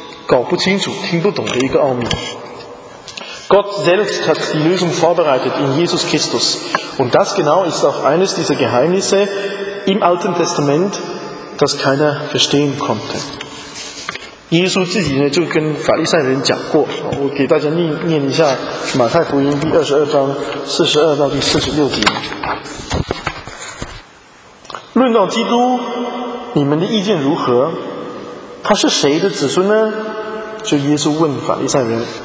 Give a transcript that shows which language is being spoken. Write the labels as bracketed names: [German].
[Chinese] 那神呢，就是在耶稣基督里面就准备这样的一个解决问题的一个方案。其实这个也是旧约神传给人的一个，当时的人一直搞不清楚、听不懂的一个奥秘。 [German] Gott selbst hat die Lösung vorbereitet in Jesus Christus. Und das genau ist auch eines dieser Geheimnisse im Alten Testament, das keiner verstehen konnte. [Chinese] Jesus 自己呢就跟法利赛人讲过，我给大家念一下马太福音第22章42到第46节。论到基督，你们的意见如何？他是谁的子孙呢？就耶稣问法利赛人。